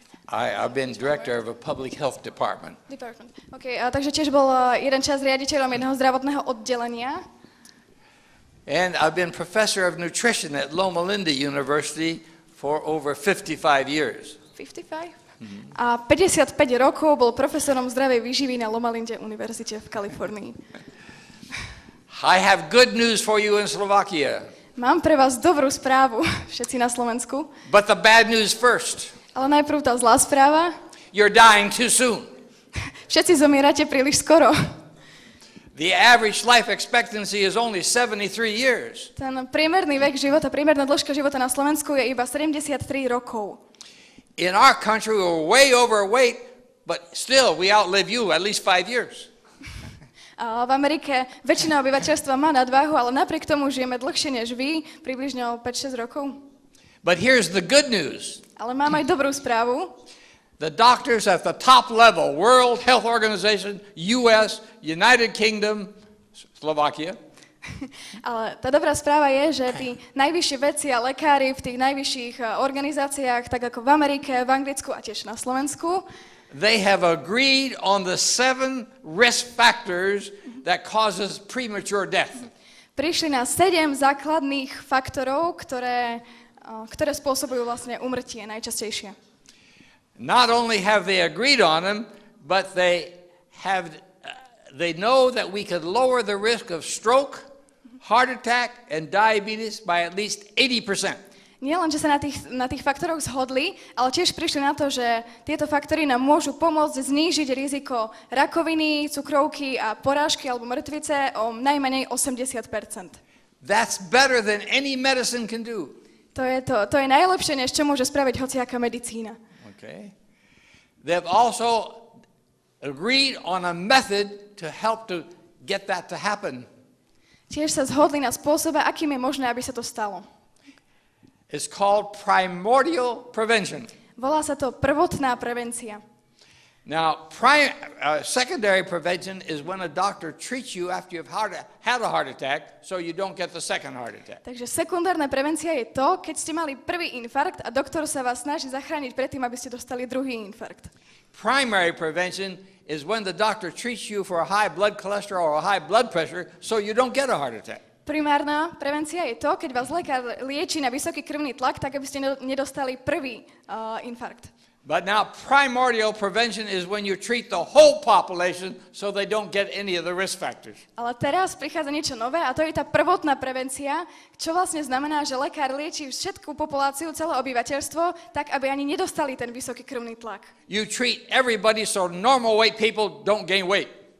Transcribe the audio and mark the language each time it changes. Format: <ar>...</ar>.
<en>I've been director of a public health department. Department.</en> <sk>Okay, a takže tiež bol jeden čas riaditeľom jedného zdravotného oddelenia.</sk> <en>And I've been professor of nutrition at Loma Linda University for over 55 years.</en> <sk>55? Mm-hmm. A 55 rokov bol profesorom zdravej výživy na Loma Linda Univerzite v Kalifornii.</sk> <en>I have good news for you in Slovakia.</en> <sk>Mám pre vás dobrú správu, všetci na Slovensku.</sk> <en>But the bad news first.</en> <sk>Ale najprv tá zlá správa.</sk> <en>You're dying too soon.</en> <sk>Všetci zomierate príliš skoro.</sk> <en>The average life expectancy is only 73 years.</en> <sk>Ten priemerný vek života, priemerná dĺžka života na Slovensku je iba 73 rokov.</sk> <en>In our country we're way overweight, but still we outlive you at least 5 years.</en> <sk>V Amerike väčšina obyvateľstva má nadváhu, ale napriek tomu žijeme dlhšie než vy, približne o 5-6 rokov.</sk> <en>But here's the good news.</en> <sk>Ale mám aj dobrú správu.</sk> <en>The doctors at the top level, World Health Organization, US, United Kingdom, Slovakia.</en> <sk>Ale tá dobrá správa je, že tí najvyššie vedci a lekári v tých najvyšších organizáciách, tak ako v Amerike, v Anglicku a tiež na Slovensku,</sk> <en>they have agreed on the 7 risk factors that causes premature death.</en> <sk>Prišli na 7 základných faktorov, ktoré spôsobujú vlastne úmrtie najčastejšie.</sk> <en>Not only have they agreed on them, but they know that we could lower the risk of stroke, heart attack and diabetes by at least 80%.</en> <sk>Nie len, že sa na tých faktoroch zhodli, ale tiež prišli na to, že tieto faktory nám môžu pomôcť znížiť riziko rakoviny, cukrovky a porážky alebo mŕtvice o najmenej 80%.</sk> <en>That's better than any medicine can do.</en> <sk>To je najlepšie, než čo môže spraviť hociaká medicína.</sk> <en>Okay. They've also agreed on a method to help to get that to happen.</en> <sk>Tiež sa zhodli na spôsobe, akým je možné, aby sa to stalo.</sk> <en>It's called primordial prevention.</en> <sk>Volá sa to prvotná prevencia.</sk> <en>Now, secondary prevention is when a doctor treats you after you've had a heart attack, so you don't get the second heart attack.</en> <sk>Takže sekundárna prevencia je to, keď ste mali prvý infarkt a doktor sa vás snaží zachrániť pred tým, aby ste dostali druhý infarkt.</sk> <en>Primary prevention is when the doctor treats you for a high blood cholesterol or a high blood pressure, so you don't get a heart attack.</en> <sk>Primárna prevencia je to, keď vás lekár lieči na vysoký krvný tlak, tak aby ste nedostali prvý infarkt.</sk> <en>But now primordial prevention is when you treat the whole population so they don't get any of the risk factors.</en> <sk>Ale teraz prichádza niečo nové a to je tá prvotná prevencia, čo vlastne znamená, že lekár lieči všetku populáciu, celé obyvateľstvo, tak aby ani nedostali ten vysoký krvný tlak.</sk> <en>You treat everybody so normal weight people don't gain weight.</en>